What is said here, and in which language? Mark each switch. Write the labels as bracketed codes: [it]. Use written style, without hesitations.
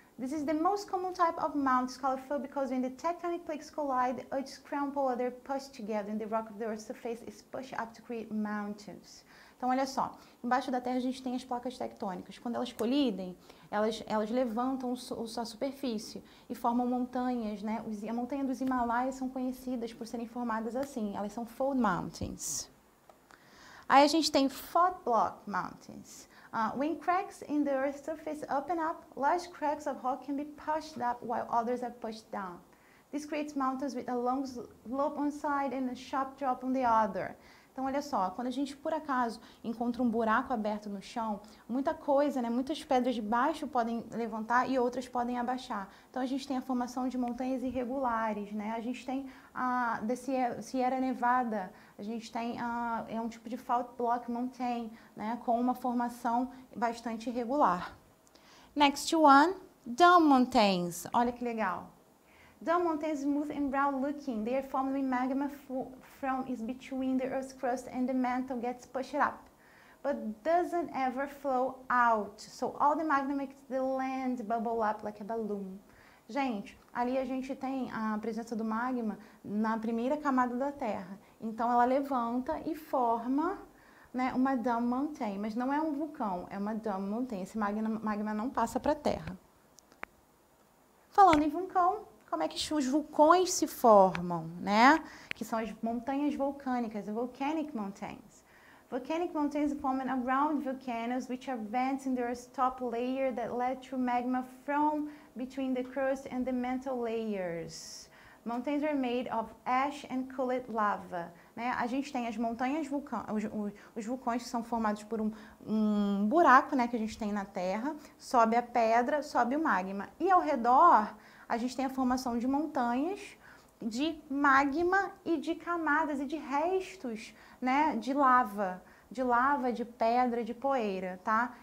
[en] This is the most common type of mounts called fold because when the tectonic plates collide, earth crumble or they're pushed together and the rock of the earth's surface is pushed up to create mountains. [pt] Então, olha só, embaixo da Terra a gente tem as placas tectônicas. Quando elas colidem, elas levantam a sua superfície e formam montanhas, né? A montanha dos Himalaias são conhecidas por serem formadas assim. Elas são fold mountains. Aí a gente tem fault block mountains. [en] When cracks in the earth's surface open up, large cracks of rock can be pushed up while others are pushed down. This creates mountains with a long slope on one side and a sharp drop on the other. [pt] Então, olha só, quando a gente por acaso encontra um buraco aberto no chão, muita coisa, né? Muitas pedras de baixo podem levantar e outras podem abaixar. Então, a gente tem a formação de montanhas irregulares, né? A gente tem a Sierra Nevada, a gente tem é um tipo de fault block mountain, né? Com uma formação bastante irregular. [en] Next one, [pt] Dome Mountains. Olha que legal. [en] Dome mountains smooth and brown looking. They are formed when magma from is between the earth's crust and the mantle gets pushed up, but doesn't ever flow out. So all the magma makes the land bubble up like a balloon. [pt] Gente, ali a gente tem a presença do magma na primeira camada da Terra. Então ela levanta e forma, né, uma dome mountain. Mas não é um vulcão, é uma dome mountain. Esse magma não passa para a Terra. Falando em vulcão, como é que os vulcões se formam, né? Que são as montanhas vulcânicas, [en] volcanic mountains. Volcanic mountains form around volcanoes, which are vents in the earth's top layer that let through magma from between the crust and the mantle layers. Mountains are made of ash and cooled lava. [pt] Né? A gente tem as montanhas vulcânicas, os vulcões são formados por um buraco, né, que a gente tem na terra, sobe a pedra, sobe o magma. E ao redor, a gente tem a formação de montanhas, de magma e de camadas e de restos, né, de lava, de pedra, de poeira, tá?